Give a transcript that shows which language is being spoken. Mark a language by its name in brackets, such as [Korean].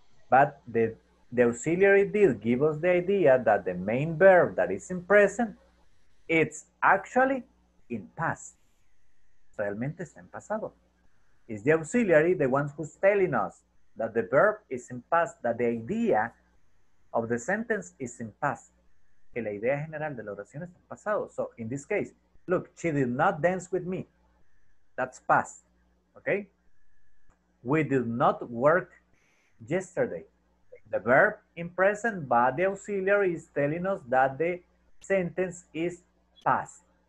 [English] But the auxiliary did give us the idea that the main verb that is in present, it's actually in past. [Spanish] Realmente está en pasado. [English] It's the auxiliary, the one who's telling us that the verb is in past, that the idea of the sentence is in past. [Spanish] Que la idea general de la oración está en pasado. [English] So, in this case, look, she did not dance with me. That's past. Okay? We did not work yesterday. The verb in present body auxiliary is telling us that the sentence is past.